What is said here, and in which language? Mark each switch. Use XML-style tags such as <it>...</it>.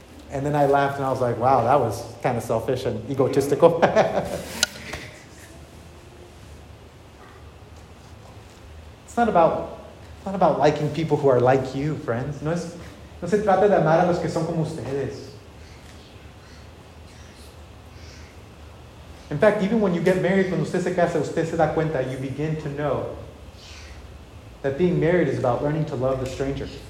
<en>And then I laughed and I was like, wow, that was kind of selfish and egotistical. It's not about liking people who are like you, friends.</en> <es>No se trata de amar a los que son como ustedes.</es> <en>In fact, even when you get married,</en> <es>cuando usted se casa, usted se da cuenta,</es> <en>you begin to know that being married is about learning to love the stranger.</en>